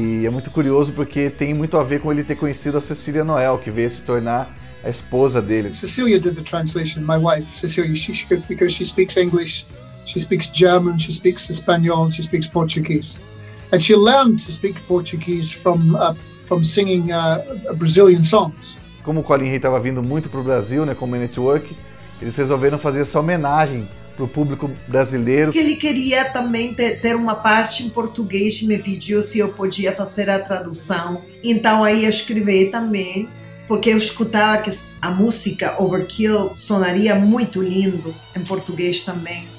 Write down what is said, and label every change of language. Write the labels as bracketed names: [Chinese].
[Portuguese] muito curioso porque tem muito a ver com ele ter conhecido a Cecilia Noël, que veio se tornar a esposa dele. [English] Cecilia did the translation, my wife, Cecilia, because she speaks English, she speaks German, she speaks Espanol, she speaks Portuguese. And she learned to speak Portuguese from singing Brazilian songs. [Portuguese] Como o Colin Hay estava vindo muito para o Brasil, né, com o Network, eles resolveram fazer essa homenagem para o público brasileiro. Que ele queria também ter uma parte em português e me pediu se eu podia fazer a tradução. Então aí eu escrevi também, porque eu escutava que a música Overkill sonaria muito lindo em português também.